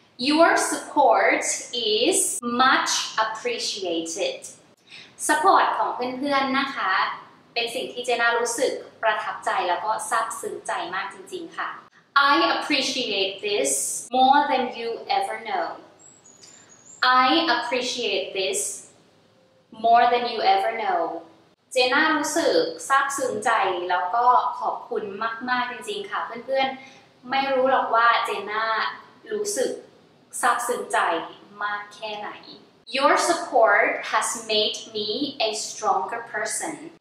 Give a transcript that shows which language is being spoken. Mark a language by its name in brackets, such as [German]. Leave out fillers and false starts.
[English] Your support is much appreciated. [Thai] Support ของเพื่อนๆ นะคะเป็นสิ่งที่เจน่ารู้สึกประทับใจแล้วก็ซาบซึ้งใจมากจริงๆค่ะ [English] I appreciate this more than you ever know. I appreciate this more than you ever know. [Thai] เจน่ารู้สึกซาบซึ้งใจแล้วก็ขอบคุณมากๆจริงๆค่ะเพื่อนๆไม่รู้หรอกว่าเจน่ารู้สึกซาบซึ้งใจมากแค่ไหน [English] Your support has made me a stronger person.